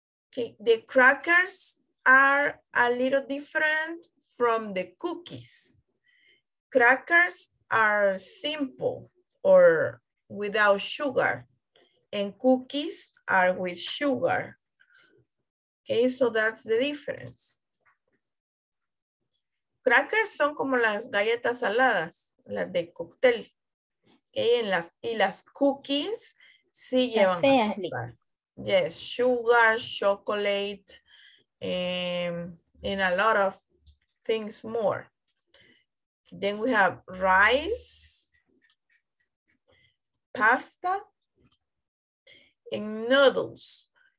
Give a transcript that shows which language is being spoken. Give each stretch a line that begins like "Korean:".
English: Okay, the crackers are a little different from the cookies. Crackers are simple or without sugar, and cookies are with sugar. Okay, so that's the difference.
Spanish: Crackers son como las galletas saladas, las de cóctel. Okay, en las, y las cookies sí llevan azúcar.
English: Yes, sugar, chocolate, and a lot of things more. Then we have rice, pasta, and noodles.